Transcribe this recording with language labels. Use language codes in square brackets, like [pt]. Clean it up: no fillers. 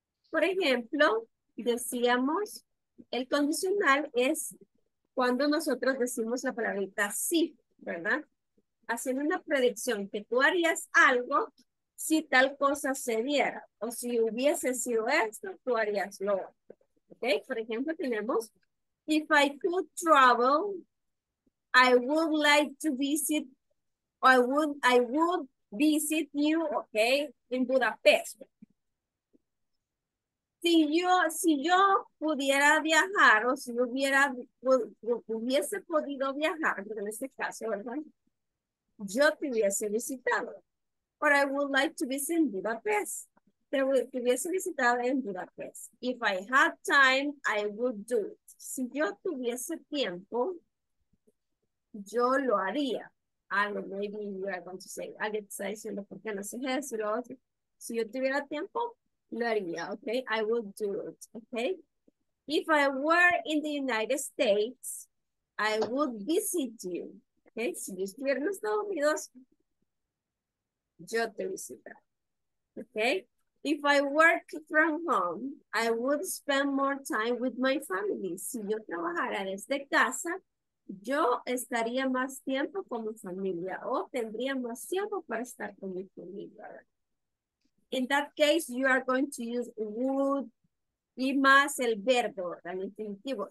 [es] Por ejemplo, decíamos, el condicional es cuando nosotros decimos la palabrita sí, ¿verdad? Haciendo una predicción que tú harías algo si tal cosa se diera o si hubiese sido esto, tú harías lo otro. Okay? Por ejemplo, tenemos, [en] if I could travel, I would like to visit, I would visit you, okay, in Budapest. [es] Si yo pudiera viajar o si hubiera, hubiese podido viajar, en este caso, ¿verdad? Yo te hubiese visitado. [en] Or I would like to visit in Budapest. [es] Te hubiese visitado en Budapest. [en] If I had time, I would do it. [es] Si yo tuviese tiempo, yo lo haría. Algo, [en] maybe you are going to say, [es] alguien está diciendo, ¿por qué no haces eso? Lo otro. Si yo tuviera tiempo, lo haría, ¿ok? [en] I would do it, ¿ok? If I were in the United States, I would visit you. [es] Okay, si yo estuviera en Estados Unidos, yo te visitaría. Okay. [en] If I work from home, I would spend more time with my family. [es] Si yo trabajara desde casa, yo estaría más tiempo con mi familia o tendría más tiempo para estar con mi familia. [en] In that case, you are going to use would [es] y más el verbo, el infinitivo.